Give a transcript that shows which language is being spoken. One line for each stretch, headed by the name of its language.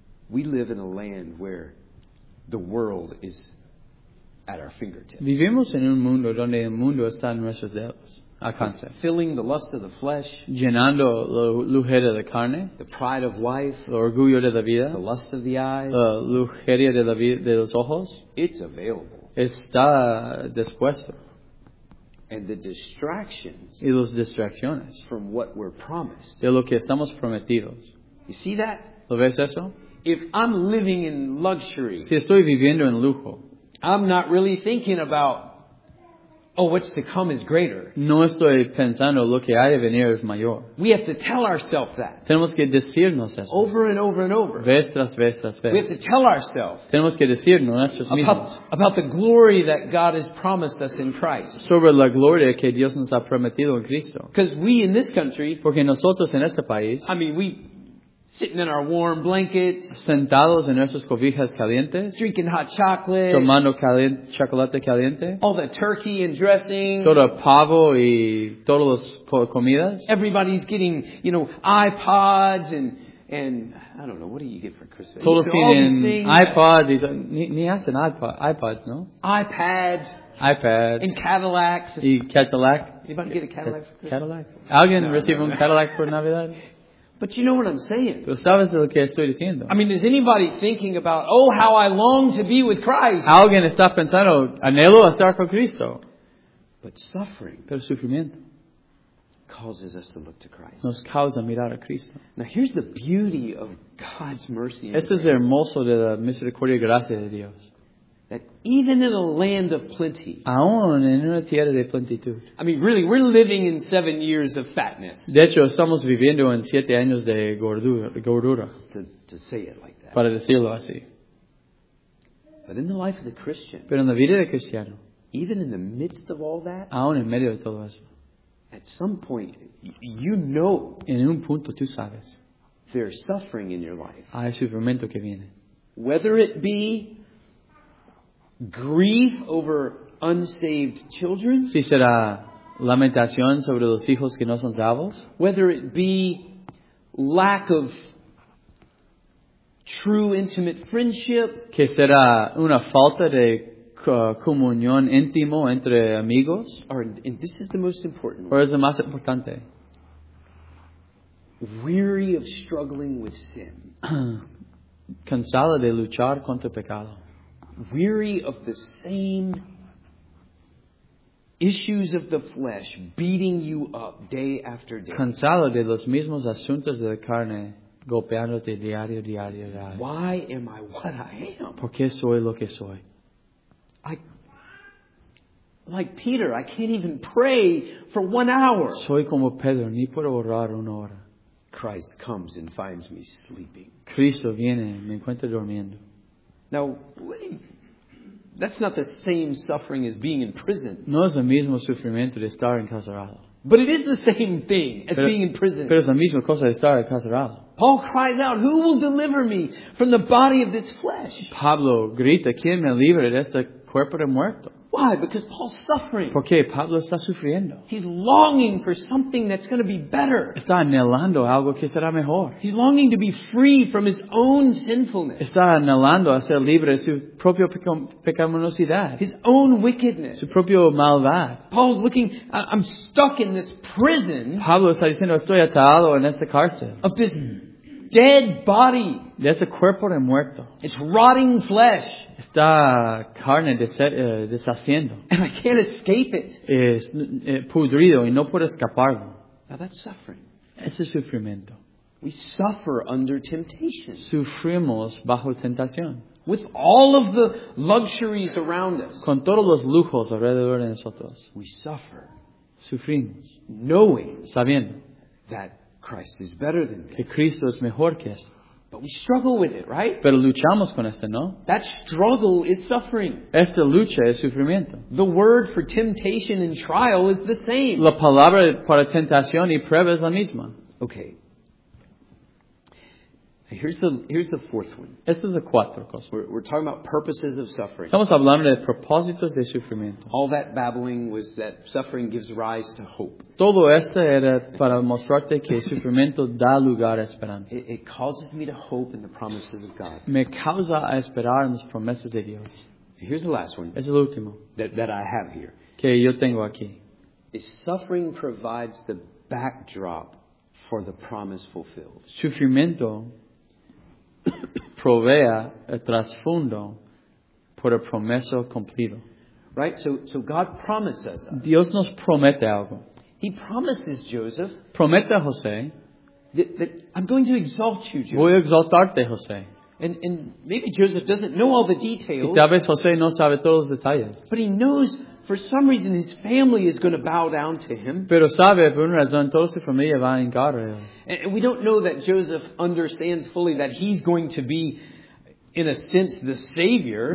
English: We live in a land where the world is at our fingertips.
Spanish: Vivimos en un mundo donde el mundo está en nuestros dedos. Alcanza.
English: Filling the lust of the flesh.
Spanish: Llenando la lujuria de carne.
English: The pride of life.
Spanish: El orgullo de la vida.
English: The lust of the eyes.
Spanish: La lujuria de, de los ojos.
English: It's available.
Spanish: Está dispuesto.
English: And the distractions.
Spanish: Y las distracciones.
English: From what we're promised.
Spanish: De lo que estamos prometidos.
English: You see that?
Spanish: ¿Lo ves eso?
English: If I'm living in luxury.
Spanish: Si estoy viviendo en lujo.
English: I'm not really thinking about, oh, what's to come is greater.
Spanish: No estoy pensando lo que hay de venir es mayor.
English: We have to tell ourselves that.
Spanish: Tenemos que decirnos eso.
English: Over and over and over.
Spanish: Vez tras vez tras vez.
English: We have to tell ourselves.
Spanish: Tenemos que decirnos nosotros mismos.
English: About the glory that God has promised us in Christ.
Spanish: Sobre la gloria que Dios nos ha prometido en Cristo.
English: Because we in this country.
Spanish: Porque nosotros en este país.
English: I mean, we. Sitting in our warm blankets.
Spanish: Sentados en nuestras cobijas calientes.
English: Drinking hot chocolate.
Spanish: Tomando chocolate caliente.
English: All the turkey and dressing.
Spanish: Todo pavo y todas las comidas.
English: Everybody's getting, you know, iPods and I don't know, what do you get for Christmas?
Spanish: Todos tienen iPods. Ni hacen iPods, no?
English: iPads.
Spanish: iPads.
English: And Cadillacs.
Spanish: Y Cadillac.
English: Anybody get a Cadillac for Christmas?
Spanish: Cadillac. ¿Alguien recibe un Cadillac por Navidad?
English: But you know what I'm saying.
Spanish: Pero sabes lo que estoy diciendo.
English: I mean, is anybody thinking about, oh, how I long to be with Christ?
Spanish: Alguien está pensando, anhelo estar con Cristo.
English: But suffering.
Spanish: Pero sufrimiento.
English: Causes us to look to Christ.
Spanish: Nos causa mirar a Cristo.
English: Now here's the beauty of God's mercy.
Spanish: Este es hermoso de la misericordia y gracia de Dios.
English: That even in a land of plenty.
Spanish: Aún en una tierra de plenitud.
English: I mean, really, we're living in 7 years of fatness.
Spanish: De hecho, estamos viviendo en 7 años de gordura.
English: To say it like that.
Spanish: Para decirlo así.
English: But in the life of the Christian.
Spanish: Pero en la vida del cristiano.
English: Even in the midst of all that.
Spanish: Aún en medio de todo eso.
English: At some point, you know.
Spanish: En un punto, tú sabes.
English: There's suffering in your life.
Spanish: Hay sufrimiento que viene.
English: Whether it be. Grief over unsaved children.
Spanish: Si será lamentación sobre los hijos que no son salvos.
English: Whether it be lack of true intimate friendship.
Spanish: Que será una falta de comunión íntimo entre amigos.
English: And this is the most important.
Spanish: Or es el más importante.
English: Weary of struggling with sin.
Spanish: Cansada de luchar contra pecado.
English: Weary of the same issues of the flesh beating you up day after day.
Spanish: Cansado de los mismos asuntos de la carne golpeándote diario, diario, diario.
English: Why am I what I am?
Spanish: ¿Por qué soy lo que soy?
English: Like Peter, I can't even pray for 1 hour.
Spanish: Soy como Pedro, ni puedo orar una hora.
English: Christ comes and finds me sleeping.
Spanish: Cristo viene, me encuentra durmiendo.
English: Now, that's not the same suffering as being in prison.
Spanish: No es el mismo sufrimiento de estar encarcelado.
English: But it is the same thing as being in prison.
Spanish: Pero es la misma cosa de estar encarcelado.
English: Paul cries out, "Who will deliver me from the body of this flesh?"
Spanish: Pablo grita, "¿Quién me libra de este cuerpo de muerto?"
English: Why? Because Paul's suffering.
Spanish: Porque Pablo está sufriendo.
English: He's longing for something that's going to be better.
Spanish: Está anhelando algo que será mejor.
English: He's longing to be free from his own sinfulness.
Spanish: Está anhelando a ser libre de su propia pecaminosidad.
English: His own wickedness.
Spanish: Su propio maldad.
English: Paul's looking, I'm stuck in this prison.
Spanish: Pablo está diciendo, estoy atado en esta cárcel.
English: Of this dead body.
Spanish: De ese cuerpo de muerto.
English: It's rotting flesh.
Spanish: Esta carne deshaciendo.
English: And I can't escape it.
Spanish: Es pudrido y no puedo escaparlo.
English: Now that's suffering.
Spanish: Ese sufrimiento.
English: We suffer under temptation.
Spanish: Sufrimos bajo tentación.
English: With all of the luxuries around us.
Spanish: Con todos los lujos alrededor de nosotros.
English: We suffer.
Spanish: Sufrimos.
English: Knowing.
Spanish: Sabiendo.
English: That Christ is better than this.
Spanish: Que Cristo es mejor que esto.
English: But we struggle with it, right?
Spanish: Pero luchamos con esto, ¿no?
English: That struggle is suffering.
Spanish: Esta lucha es sufrimiento.
English: The word for temptation and trial is the same.
Spanish: La palabra para tentación y prueba es la misma.
English: Okay. Here's the fourth one.
Spanish: Esta es la cuatro cosa.
English: We're talking about purposes of suffering.
Spanish: Estamos hablando de propósitos de sufrimiento.
English: All that babbling was that suffering gives rise to hope.
Spanish: Todo esto era para mostrarte que sufrimiento da lugar a esperanza.
English: It causes me to hope in the promises of God.
Spanish: Me causa a esperar en las promesas de Dios.
English: Here's the last one.
Spanish: Es el último.
English: That I have here.
Spanish: Que yo tengo aquí.
English: Is suffering provides the backdrop for the promise fulfilled.
Spanish: Sufrimiento provea el trasfondo por el promeso cumplido.
English: Right? So God promises us.
Spanish: Dios nos promete algo.
English: He promises Joseph.
Spanish: Promete a José.
English: That I'm going to exalt you, Joseph.
Spanish: Voy a exaltarte, José.
English: And maybe Joseph doesn't know all the details.
Spanish: Y tal vez José no sabe todos los detalles.
English: But he knows for some reason his family is going to bow down to him.
Spanish: Pero sabe, por una razón, toda su familia va a hincar a él.
English: And we don't know that Joseph understands fully that he's going to be, in a sense, the Savior.